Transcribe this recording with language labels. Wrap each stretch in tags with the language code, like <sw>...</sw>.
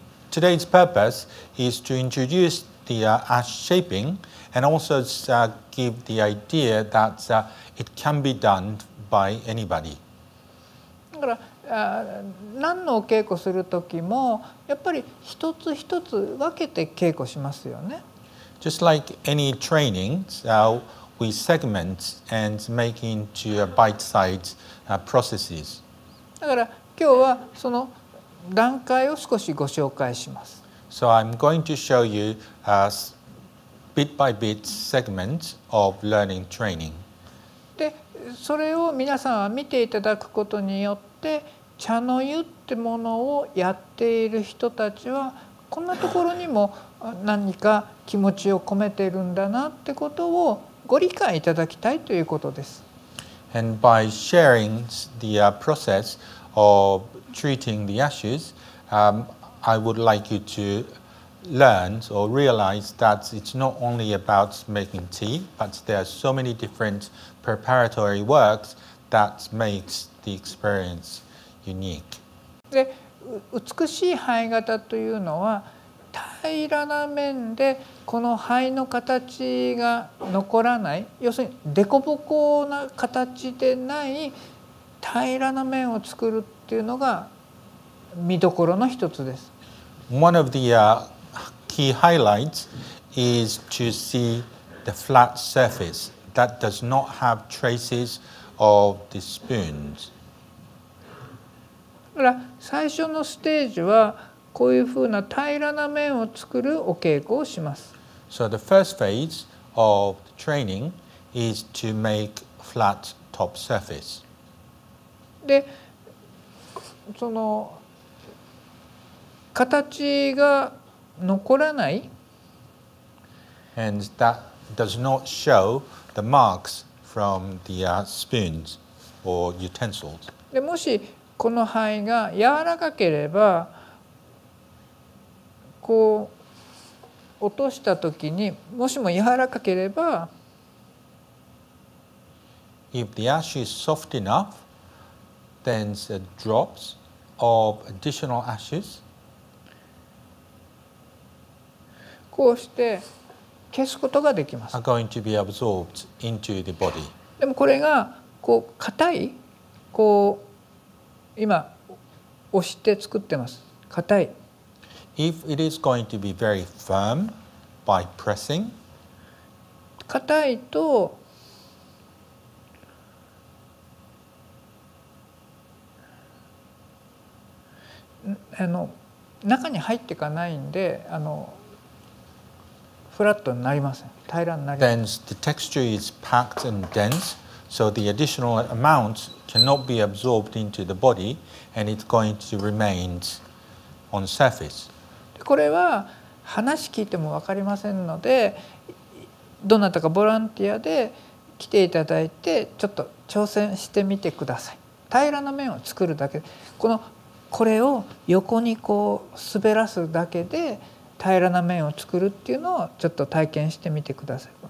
<en>Today's purpose is to introduce the ash shaping and also give the idea that it can be done by anybody.</en> <ja>だから何のお稽古するときもやっぱり一つ一つ分けて稽古しますよね。</ja> <en>Just like any training, we segment and make into bite-sized processes.</en> <ja>だから今日はその段階を少しご紹介します。</ja> <en>So I'm going to show you a bit-by-bit segment of learning training.</en> <ja>で、それを皆さんは見ていただくことによって、茶の湯ってものをやっている人たちはこんなところにも何か気持ちを込めているんだなってことをご理解いただきたいということです。</ja> <en>And by sharing the process of treating the ashes, I would like you to learn or realize that it's not only about making tea, but there are so many different preparatory works that makes the experience unique.</en> <ja>で、美しい灰型というのは平らな面でこの灰の形が残らない、要するにデコボコな形でない平らな面を作るっていうのが見どころの一つです。</ja> <en>One of the key highlights is to see the flat surface that does not have traces of the spoons.</en> <ja>だから最初のステージはこういうふうな平らな面を作るお稽古をします。</ja> <en>So the first phase of the training is to make flat top surface.</en> <ja>で、その形が残らない。</ja> <en>And that does not show the marks from the spoons or utensils.</en> <ja>でもしこの灰が柔らかければこう落とした時にもしも柔らかければ</ja> <en>If the ash is soft enough, then the drops of additional ashes</en> <ja>こうして消すことができます。</ja> <en>Are going to be absorbed into the body.</en> <ja>でもこれがこう硬い、こう今押して作ってます。硬い。</ja> <en>If it is going to be very firm by pressing,</en> <ja>硬いと中に入っていかないんで、フラットになりません。平らになります。</ja> <en>Then the texture is packed and dense, so the additional amount cannot be absorbed into the body, and it's going to remain on surface.</en> <ja>これは話聞いても分かりませんので、どなたかボランティアで来ていただいて、ちょっと挑戦してみてください。平らな面を作るだけ。このこれを横にこう滑らすだけで、平らな面を作るっていうのをちょっと体験してみてください。</ja>